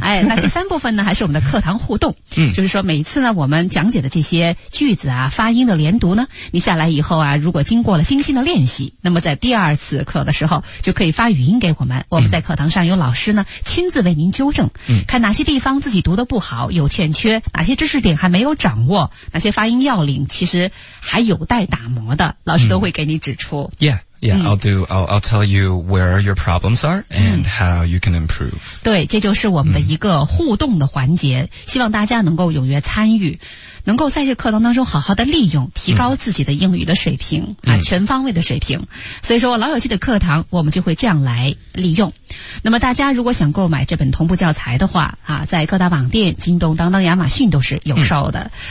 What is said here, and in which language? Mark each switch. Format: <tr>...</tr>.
<zh>哎，那第三部分呢，还是我们的课堂互动，就是说每一次呢，我们讲解的这些句子啊，发音的连读呢，你下来以后啊，如果经过了精心的练习，那么在第二次课的时候就可以发语音给我们，我们在课堂上有老师呢亲自为您纠正，看哪些地方自己读的不好，有欠缺，哪些知识点还没有掌握，哪些发音要领其实还有待打磨的，老师都会给你指出。</zh> <en>I'll tell you where your problems are and how you can improve.</en> <zh>对，这就是我们的一个互动的环节，希望大家能够踊跃参与，能够在这课堂当中好好的利用，提高自己的英语的水平啊，全方位的水平。所以说老友记的课堂我们就会这样来利用。那么大家如果想购买这本同步教材的话啊，在各大网店京东、当当、亚马逊都是有售的。</zh>